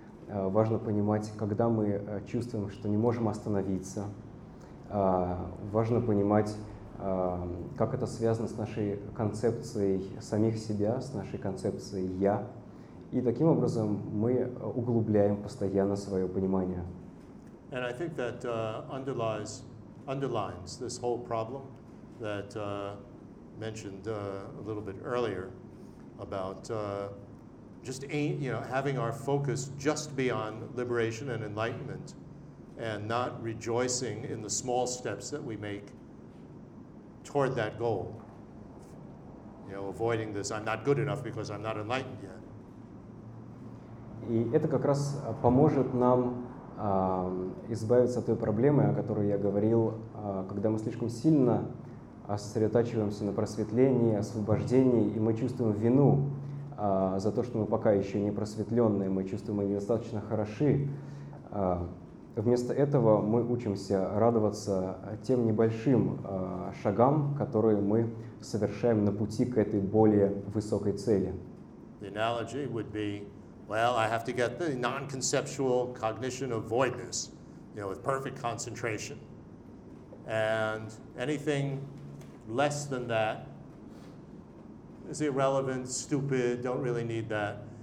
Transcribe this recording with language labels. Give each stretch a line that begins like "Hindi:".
Russian: Важно понимать, когда мы чувствуем, что не можем остановиться. Важно понимать, как это связано с нашей концепцией самих себя, с нашей концепцией «я». И таким образом мы углубляем постоянно свое понимание.
English: And I think that underlines this whole problem that mentioned a little bit earlier about just having our focus just be on liberation and enlightenment and not rejoicing in the small steps that we make toward that goal. You know, avoiding this, I'm not good enough because I'm not enlightened yet.
Russian: И это как раз поможет нам избавиться от той проблемы, о которой я говорил, когда мы слишком сильно сосредотачиваемся на просветлении, освобождении, и мы чувствуем вину за то, что мы пока еще не просветленные, мы чувствуем, мы недостаточно хороши. Вместо этого мы учимся радоваться тем небольшим шагам, которые мы совершаем на пути к этой более высокой цели.
English: The analogy would be, well, I have to get the non-conceptual cognition of voidness, you know, with perfect concentration. And anything less than that is irrelevant, stupid, don't really need that.